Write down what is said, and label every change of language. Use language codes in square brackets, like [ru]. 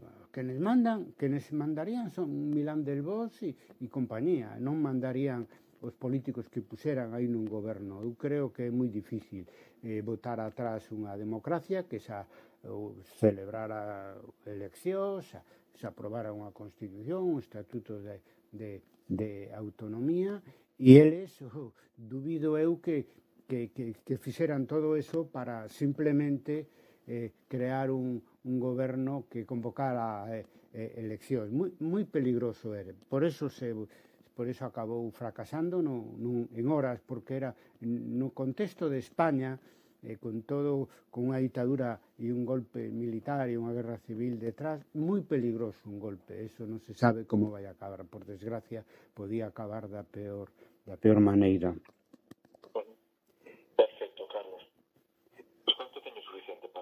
[gl] Que nos mandarían son Milán del Bosch e compañía. Non mandarían os políticos que puseran aí nun goberno. Eu creo que é moi difícil botar atrás unha democracia que xa celebrara eleccións, xa aprobara unha constitución, un estatuto de autonomía, e eles, dubido eu que fixeran todo eso para simplemente crear un goberno que convocara eleccións. Moi peligroso era. Por eso acabou fracasando en horas, porque era no contexto de España, con unha dictadura e un golpe militar e unha guerra civil detrás, moi peligroso un golpe. Eso non se sabe como vai a acabar. Por desgracia, podía acabar da peor maneira. [es] Perfecto, Carlos. Pues con esto tengo suficiente.